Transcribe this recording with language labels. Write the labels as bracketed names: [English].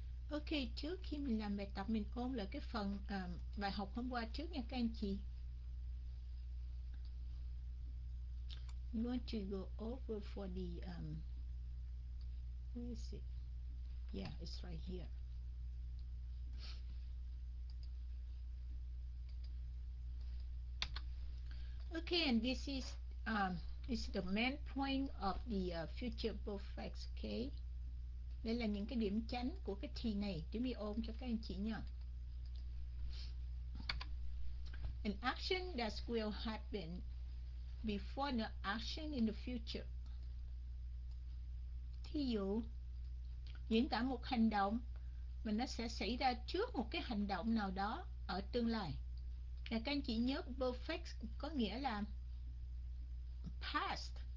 [Vietnamese] Ok, trước khi mình làm bài tập, mình ôn lại cái phần bài học hôm qua trước nha các anh chị. [English] I'm going to go over for the, where is it? Yeah, it's right here. Ok, and this is, the main point of the future perfect, ok? [Vietnamese] Đây là những cái điểm chính của cái thi này, để mình ôm cho các anh chị nha. [English] An action that will happen before the action in the future. [Vietnamese] Thí dụ, diễn tả một hành động mà nó sẽ xảy ra trước một cái hành động nào đó ở tương lai. Là các anh chị nhớ perfect có nghĩa là past.